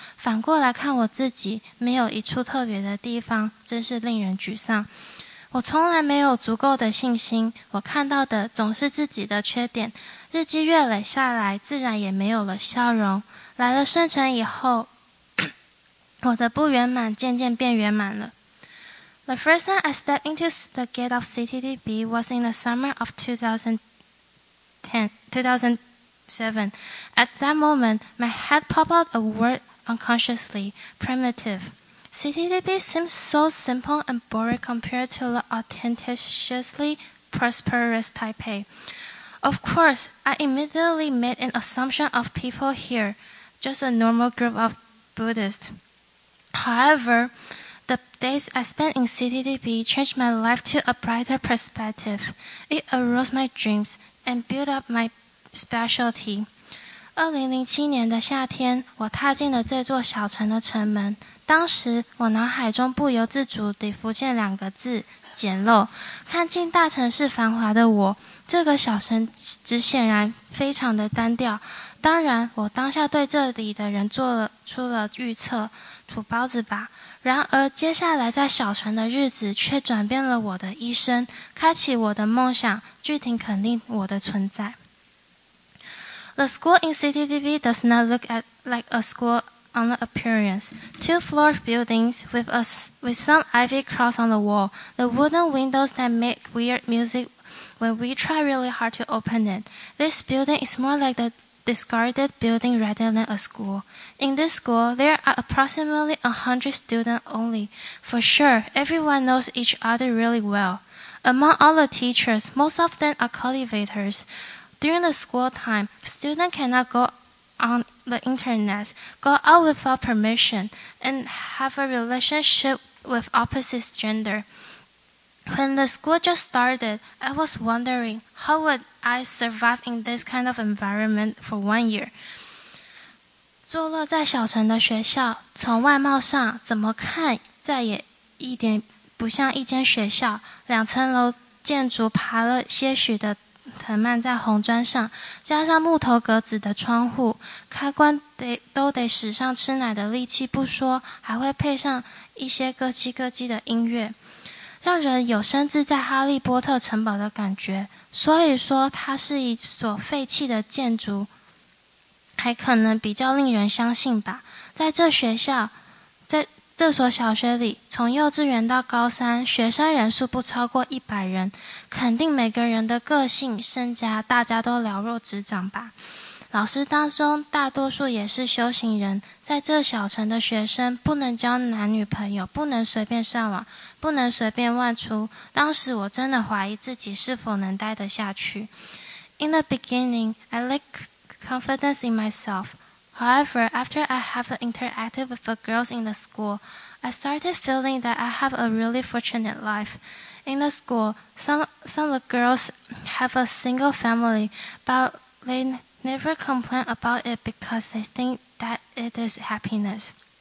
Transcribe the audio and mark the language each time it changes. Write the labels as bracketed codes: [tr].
[zh] 反过来看我自己，没有一处特别的地方，真是令人沮丧。我从来没有足够的信心，我看到的总是自己的缺点。日积月累下来，自然也没有了笑容。来了圣城以后，我的不圆满渐渐变圆满了。 [en] The first time I stepped into the gate of CTTB was in the summer of 2007. At that moment, my head popped out a word unconsciously, primitive. CTTB seems so simple and boring compared to the ostentatiously prosperous Taipei. Of course, I immediately made an assumption of people here, just a normal group of Buddhists. However, the days I spent in CTTP changed my life to a brighter perspective. It arose my dreams and built up my specialty. [zh] 2007年的夏天，我踏进了这座小城的城门。当时，我脑海中不由自主地浮现两个字：简陋。看尽大城市繁华的我，这个小城只显然非常的单调。当然，我当下对这里的人出了预测。土包子吧。然而接下来在小城的日子却转变了我的一生，开启我的梦想，具体肯定我的存在。 [en] The school in CTTV does not look at like a school on the appearance. Two-floor buildings with some ivy cross on the wall. The wooden windows that make weird music when we try really hard to open it. This building is more like the discarded building rather than a school. In this school, there are approximately 100 students only. For sure, everyone knows each other really well. Among all the teachers, most of them are cultivators. During the school time, students cannot go on the internet, go out without permission, and have a relationship with opposite gender. When the school just started, I was wondering, how would I survive in this kind of environment for 1 year? [zh] 坐落在小城的学校，从外貌上怎么看，再也一点不像一间学校，两层楼建筑爬了些许的藤蔓在红砖上，加上木头格子的窗户，开关都得使上吃奶的力气不说，还会配上一些咯叽咯叽的音乐，让人有身置在哈利波特城堡的感觉。所以说它是一所废弃的建筑，还可能比较令人相信吧。在这学校，在这所小学里，从幼稚园到高三，学生人数不超过100人，肯定每个人的个性、身家，大家都了若指掌吧。老师当中大多数也是修行人，在这小城的学生不能交男女朋友，不能随便上网，不能随便外出。当时我真的怀疑自己是否能待得下去。 [en] In the beginning, I lack confidence in myself. However, after I have interacted with the girls in the school, I started feeling that I have a really fortunate life. In the school, some of the girls have a single family, but they never complain about it because they think that it is happiness.